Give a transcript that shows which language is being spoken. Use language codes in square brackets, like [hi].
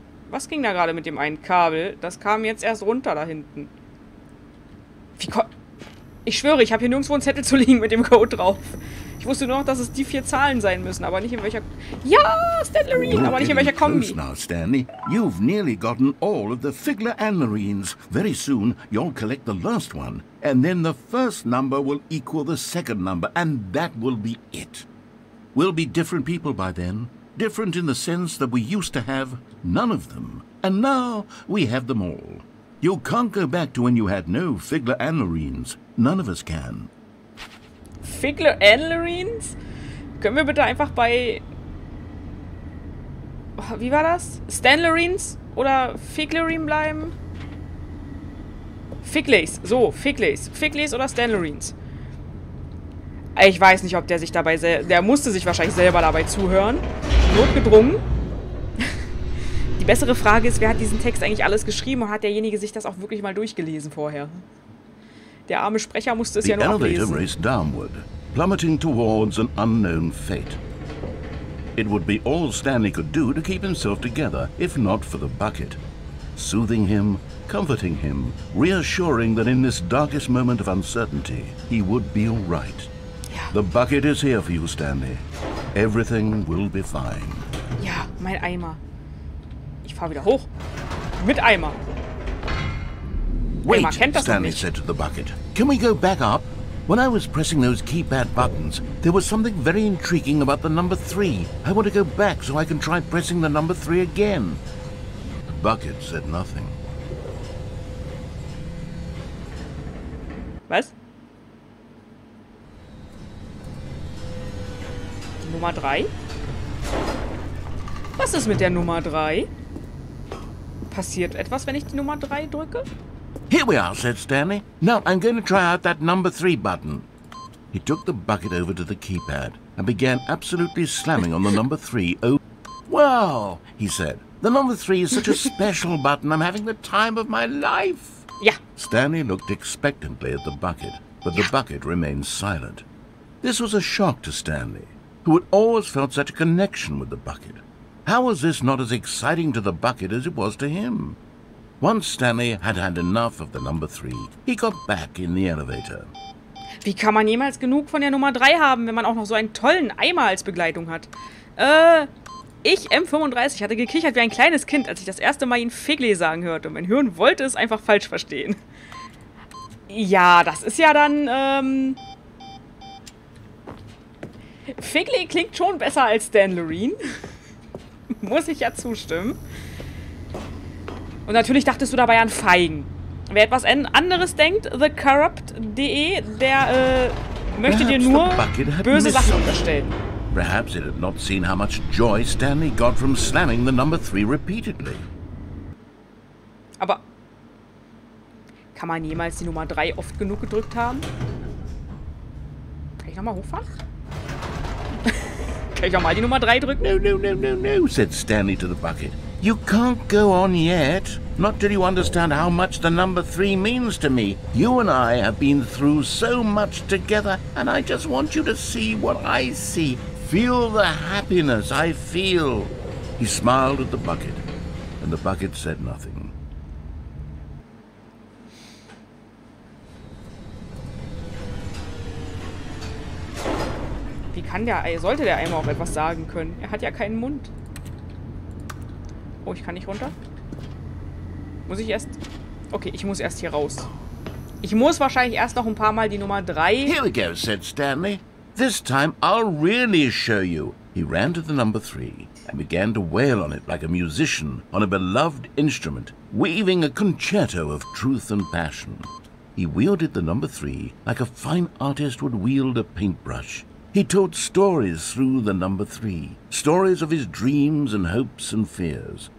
[de] Was ging da gerade mit dem einen Kabel? Das kam jetzt erst runter da hinten. Ich schwöre, ich habe hier nirgendwo einen Zettel zu liegen mit dem Code drauf. Ich wusste nur noch, dass es die vier Zahlen sein müssen, aber nicht in welcher... Ja, Stanlerine, aber nicht in welcher Kombi. [en] Close now, Stanley. You've nearly gotten all of the Figler and Lorenes. Very soon, you'll collect the last one. And then the first number will equal the second number, and that will be it. We'll be different people by then. Different in the sense that we used to have none of them. And now, we have them all. You can't go back to when you had no Figler and Lorenes. None of us can. [de] Figler and Lorenes? Können wir bitte einfach bei... Wie war das? Stanlerines oder Figlerine bleiben? Figleys. So, Figleys. Figleys oder Stanlerines. Ich weiß nicht, ob der sich dabei... Der musste sich wahrscheinlich selber dabei zuhören. Notgedrungen. Die bessere Frage ist, wer hat diesen Text eigentlich alles geschrieben und hat derjenige sich das auch wirklich mal durchgelesen vorher? Der arme Sprecher musste es [en] the [de] ja nur ablesen. [en] The elevator raced downward, plummeting towards an unknown fate. It would be all Stanley could do to keep himself together, if not for the bucket. Soothing him, comforting him, reassuring that in this darkest moment of uncertainty, he would be all right. [de] Ja. [en] The bucket is here for you, Stanley. Everything will be fine. [de] Ja, mein Eimer. Ich fahr wieder hoch. Mit Eimer. [en] Wait, Stanley said to the bucket. Can we go back up? When I was pressing those keypad buttons, there was something very intriguing about the number three. I want to go back so I can try pressing the number three again. The bucket said nothing. [de] Was? Die Nummer drei? Was ist mit der Nummer drei? Passiert etwas, wenn ich die Nummer drei drücke? [en] Here we are, said Stanley. Now I'm going to try out that number three button. He took the bucket over to the keypad and began absolutely slamming on the number three. Oh, wow, he said. The number three is such a special button. I'm having the time of my life. Yeah. Stanley looked expectantly at the bucket, but the bucket remained silent. This was a shock to Stanley, who had always felt such a connection with the bucket. How was this not as exciting to the bucket as it was to him? Once Stanley had had enough of the number three, he got back in the elevator. [de] Wie kann man jemals genug von der Nummer 3 haben, wenn man auch noch so einen tollen Eimer als Begleitung hat? Ich, M35, hatte gekichert wie ein kleines Kind, als ich das erste Mal ihn Figley sagen hörte. Mein Hirn wollte es einfach falsch verstehen. Ja, das ist ja dann, Figley klingt schon besser als Stanlerine. Muss ich ja zustimmen. Und natürlich dachtest du dabei an Feigen. Wer etwas anderes denkt, thecorrupt.de, der möchte [en] Perhaps [de] dir nur böse Sachen unterstellen. [en] Perhaps it had not seen how much joy Stanley got from slamming the number three repeatedly. [de] Aber kann man jemals die Nummer 3 oft genug gedrückt haben? Kann ich nochmal hochfahren? Kann ich nochmal die Nummer 3 drücken? [en] No, said Stanley to the bucket. You can't go on yet. Not till you understand how much the number three means to me. You and I have been through so much together, and I just want you to see what I see. Feel the happiness I feel. He smiled at the bucket, and the bucket said nothing. [de] Wie kann der Eimer, sollte der Eimer auch etwas sagen können? Er hat ja keinen Mund. Oh, ich kann nicht runter. Muss ich erst... Okay, ich muss erst hier raus. Ich muss wahrscheinlich erst noch ein paar Mal die Nummer 3... [en] Here we go, said Stanley. This time I'll really show you. He ran to the number 3 and began to wail on it like a musician on a beloved instrument, weaving a concerto of truth and passion. He wielded the number 3 like a fine artist would wield a paintbrush. He told stories through the number 3, stories of his dreams and hopes and fears.